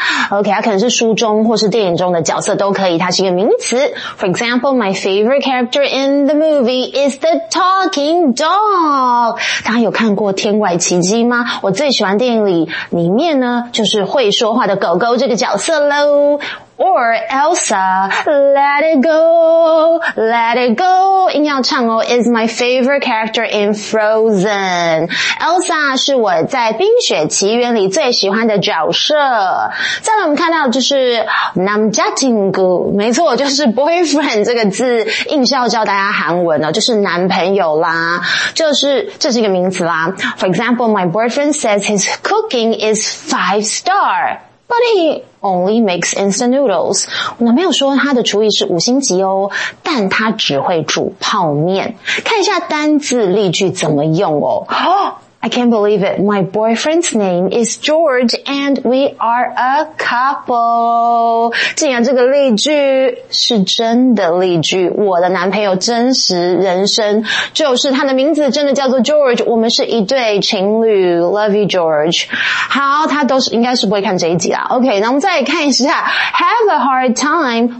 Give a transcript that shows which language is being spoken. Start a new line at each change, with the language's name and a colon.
Chinese: OK， 它可能是书中或是电影中的角色都可以，它是一个名词。
English: For example, my favorite character in the movie is the talking dog。
Chinese: 大家有看过《天外奇迹》吗？我最喜欢电影里面呢，就是会说话的狗狗这个角色咯。
English: Or Elsa, let it go, let it go.
Chinese: 硬要唱哦
English: is my favorite character in Frozen.
Chinese: Elsa 是我在冰雪奇缘里最喜欢的角色。再来我们看到就是 Namjatingu, 没错就是 boyfriend 这个字硬是要教大家韩文哦就是男朋友啦。这是一个名词啦。
English: For example, my boyfriend says his cooking is 5-star. But he only makes instant noodles.
Chinese: 我男朋友说他的厨艺是五星级哦，但他只会煮泡面。看一下单字例句怎么用哦。
English: I can't believe it. My boyfriend's name is George and we are a couple.
Chinese: 竟然这个例句是真的例句。我的男朋友真实人生就是他的名字真的叫做 George. 我们是一对情侣。
English: Love you, George.
Chinese: 好他都是应该是不会看这一集啦。 OK, 那我们再看一下
English: Have a hard time.